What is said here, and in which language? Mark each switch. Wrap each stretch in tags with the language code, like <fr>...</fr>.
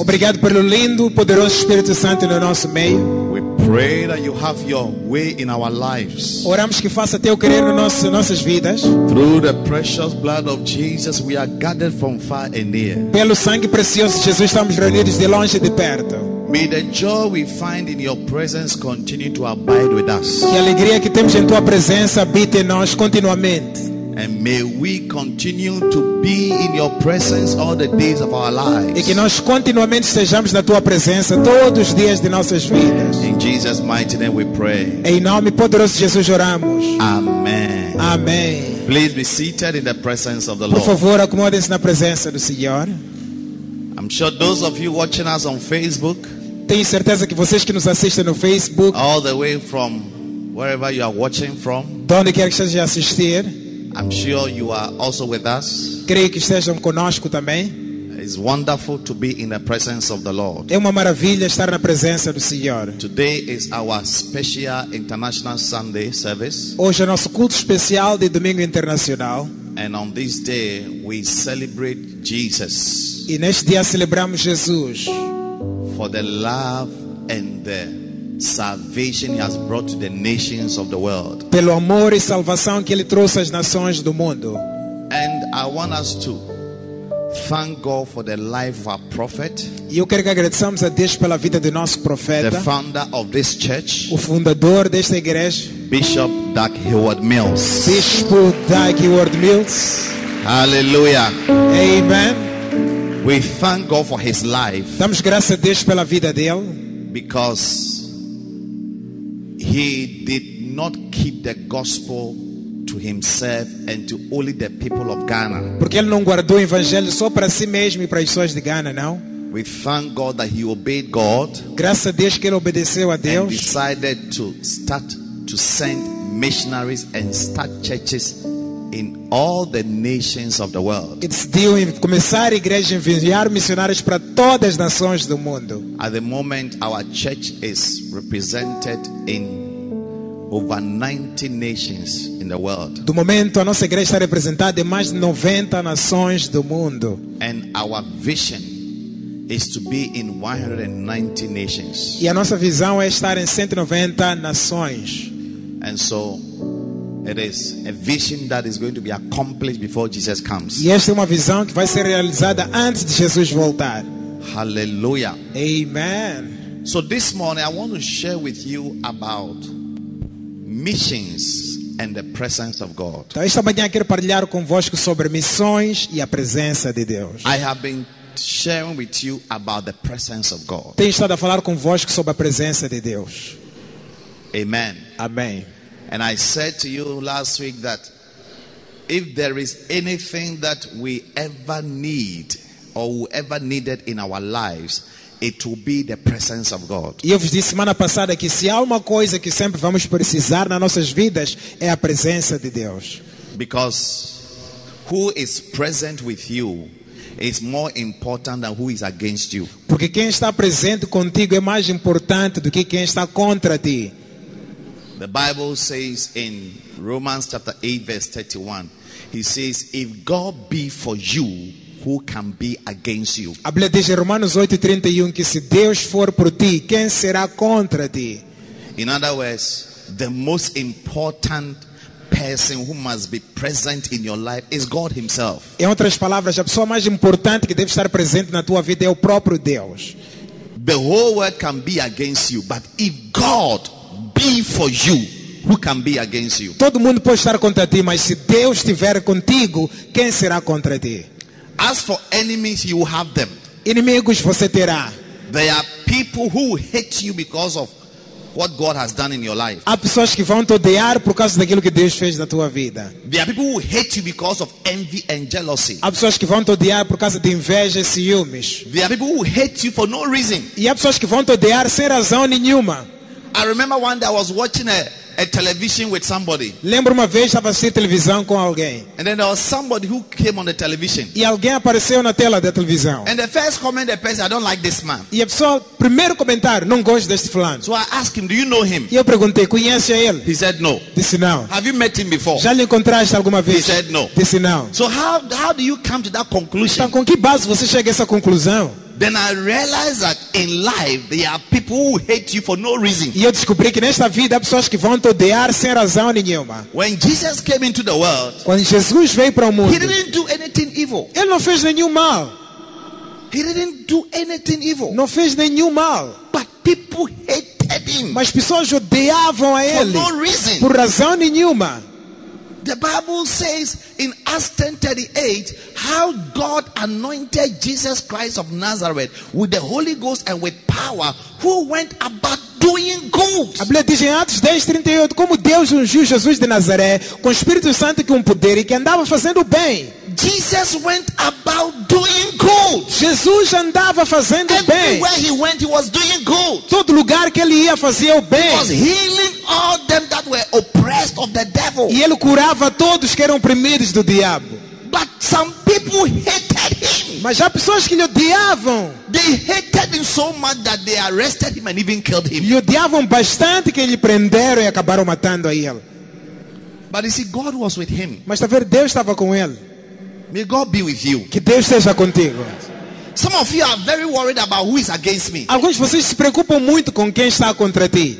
<pt>Obrigado pelo lindo, poderoso Espírito Santo no nosso meio.</pt> <en>We pray that you have your way in our lives.</en> <pt>Oramos que faça teu querer no nosso, nossas vidas.</pt> <en>Through the precious blood of Jesus, we are gathered from far and near.</en> <pt>Pelo sangue precioso de Jesus, estamos reunidos de longe e de perto.</pt> <en>May the joy we find in your presence continue to abide with us.</en> <pt>Que a alegria que temos em tua presença habite em nós continuamente.</pt> <en>And may we continue to be in your presence all the days of our lives.</en> <pt>E que nós continuamente estejamos na tua presença todos os dias de nossas vidas.</pt> <en>In Jesus' mighty name we pray.</en> <pt>Em nome poderoso de Jesus oramos.</pt> <en>Amen.</en> <pt>Amém.</pt> <en>Please be seated in the presence of the Lord.</en> <pt>Por favor, acomodem-se na presença do Senhor.</pt> <en>I'm sure those of you watching us on Facebook.</en> <pt>Tenho certeza que vocês que nos assistem no Facebook.</pt> <en>All the way from wherever you are watching from.</en> <pt>De onde quer que estejam a assistir.</pt> <en>I'm sure you are also with us.</en> <pt>Creio que estejam conosco também.</pt> <en>It's wonderful to be in the presence of the Lord.</en> <pt>É uma maravilha estar na presença do Senhor.</pt> <en>Today is our special International Sunday service.</en> <pt>Hoje é nosso culto especial de domingo internacional.</pt> <en>And on this day we celebrate Jesus.</en> <pt>E neste dia celebramos Jesus.</pt> <en>For the love and the salvation he has brought to the nations of the world.</en> <pt>Pelo amor e salvação que ele trouxe às nações do mundo.</pt> <en>And I want us to thank God for the life of our prophet.</en> <pt>E eu quero que agradeçamos a Deus pela vida do nosso profeta.</pt> <en>The founder of this church.</en> <pt>O fundador desta igreja.</pt> <en>Bishop Doug Heward Mills.</en> <pt>Bispo Doug Heward Mills.</pt> <en>Hallelujah. Amen. We thank God for his life.</en> <pt>Damos graças a Deus pela vida dele.</pt> <en>Because he did not keep the gospel to himself and to only the people of Ghana.</en> <pt>Porque ele não guardou o evangelho só para si mesmo e para as pessoas de Ghana, não?</pt> <en>We thank God that he obeyed God.</en> <pt>Graças a Deus que ele obedeceu a Deus.</pt> <en>And decided to start to send missionaries and start churches in all the nations of the world.</en> <pt>Ele decidiu começar a igreja e enviar missionários para todas as nações do mundo.</pt> <en>At the moment, our church is represented in over 90 nations in the world.</en> <pt>Do momento, a nossa igreja está representada em mais de 90 nações do mundo.</pt> <en>And our vision is to be in 190 nations.</en> <pt>E a nossa visão é estar em 190 nações.</pt> <en>And so it is a vision that is going to be accomplished before Jesus comes.</en> <pt>E esta é uma visão que vai ser realizada antes de Jesus voltar.</pt> <en>Hallelujah. Amen. So this morning I want to share with you about missions and the presence of God.</en> <pt>Então esta manhã quero partilhar convosco sobre missões e a presença de Deus.</pt> <en>I have been sharing with you about the presence of God.</en> <pt>Tenho estado a falar convosco sobre a presença de Deus.</pt> <en>Amen.</en> <pt>Amém.</pt> <en>And I said to you last week that if there is anything that we ever need or we ever needed in our lives, it will be the presence of God.</en> <pt>E eu vos disse semana passada que se há uma coisa que sempre vamos precisar nas nossas vidas é a presença de Deus.</pt> <en>Because who is present with you is more important than who is against you.</en> <pt>Porque quem está presente contigo é mais importante do que quem está contra ti.</pt> <en>The Bible says in Romans chapter 8 verse 31, he says, if God be for you, who can be against you?</en> <pt>A Bíblia diz em Romanos 8:31 que se Deus for por ti, quem será contra ti?</pt> <en>In other words, the most important person who must be present in your life is God himself.</en> <pt>Em outras palavras, a pessoa mais importante que deve estar presente na tua vida é o próprio Deus.</pt> <en>The whole world can be against you, but if God be for you, who can be against you?</en> <pt>Todo mundo pode estar contra ti, mas se Deus estiver contigo, quem será contra ti?</pt> <en>As for enemies, you will have them.</en> <pt>Inimigos você terá.</pt> <en>There are people who hate you because of what God has done in your life.</en> <pt>Há pessoas que vão te odiar por causa daquilo que Deus fez na tua vida.</pt> <en>There are people who hate you because of envy and jealousy.</en> <pt>Há pessoas que vão te odiar por causa de inveja e ciúmes.</pt> <en>There are people who hate you for no reason.</en> <pt>E há pessoas que vão te odiar sem razão nenhuma.</pt> <en>I remember one day I was watching a television with somebody.</en> <pt>Lembro uma vez estava assistindo televisão com alguém.</pt> <en>And then there was somebody who came on the television.</en> <pt>E alguém apareceu na tela da televisão.</pt> <en>And the first comment the person, I don't like this man.</en> <pt>E a pessoa, primeiro comentário, não gosto deste fulano.</pt> <en>So I asked him, do you know him?</en> <pt>E eu perguntei, conhece a ele?</pt> <en>He said no.</en> <pt>Disse não.</pt> <en>Have you met him before?</en> <pt>Já lhe encontraste alguma vez?</pt> <en>He said no.</en> <pt>Disse não.</pt> <en>So how do you come to that conclusion?</en> <pt>Então com que base você chega a essa conclusão?</pt> <en>Then I realized that in life there are people who hate you for no reason.</en> <pt>E eu descobri que nesta vida há pessoas que vão te odiar sem razão nenhuma.</pt> <en>When Jesus came into the world,</en> <pt>quando Jesus veio para o mundo,</pt> <en>he didn't do anything evil.</en> <pt>Ele não fez nenhum mal.</pt> <en>He didn't do anything evil.</en> <pt>Não fez nenhum mal.</pt> <en>But people hated him.</en> <pt>Mas pessoas odiavam a ele</pt> <en>for no reason.</en> <pt>Por razão nenhuma.</pt> <en>The Bible says in Acts 10:38 how God anointed Jesus Christ of Nazareth with the Holy Ghost and with power, who went about doing good.</en> <pt>A Bíblia diz em Atos 10:38 como Deus ungiu Jesus de Nazaré com o Espírito Santo e com poder e que andava fazendo bem.</pt> <en>Jesus went about doing good.</en> <pt>Jesus andava fazendo bem.</pt> <en>Everywhere he went, he was doing good.</en> <pt>Todo lugar que ele ia fazia o bem.</pt> <en>He was healing all them that were oppressed of the devil.</en> <pt>E ele curava todos que eram oprimidos do diabo.</pt> <en>But some people hated him.</en> <pt>Mas há pessoas que lhe odiavam.</pt> <en>They hated him so much that they arrested him and even killed him.</en> <pt>E odiavam bastante que lhe prenderam e acabaram matando a ele.</pt> <en>But you see, God was with him.</en> <pt>Mas está vendo, Deus estava com ele.</pt> <en>May God be with you.</en> <pt>Que Deus esteja contigo.</pt> <en>Some of you are very worried about who is against me.</en> <pt>Alguns de vocês se preocupam muito com quem está contra ti.</pt>